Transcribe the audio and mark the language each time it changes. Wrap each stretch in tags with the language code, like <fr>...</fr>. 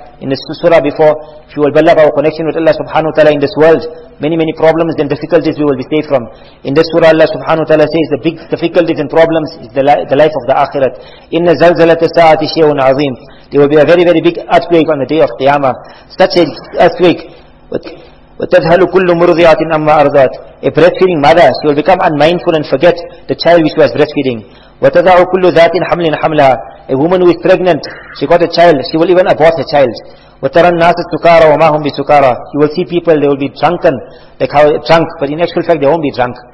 <en>In the surah before, if you will build up our connection with Allah subhanahu wa ta'ala in this world, many, many problems and difficulties we will be saved from. In this surah, Allah subhanahu wa ta'ala says the big difficulties and problems is the life of the akhirat.</en> <ar>Inna zalzalata sa'ati shay'un azim.</ar> <en>There will be a very, very big earthquake on the day of Qiyamah. Such an earthquake.</en> <ar>وَتَذْهَلُ كُلُّ مُرْضِعَةٍ أَمَّا أَرْضَاتٍ.</ar> <en>A breastfeeding mother, she will become unmindful and forget the child which was breastfeeding.</en> <ar>وَتَذَعُ كُلُّ ذَاتٍ حَمْلٍ حَمْلَهَا.</ar> <en>A woman who is pregnant, she got a child, she will even abort her child.</en> <ar>وَتَرَى النَّاسَ سُكَارَى وَمَا هُمْ بِسُكَارَى.</ar> <en>You will see people, they will be drunken, like how drunk, but in actual fact they won't be drunk.</en>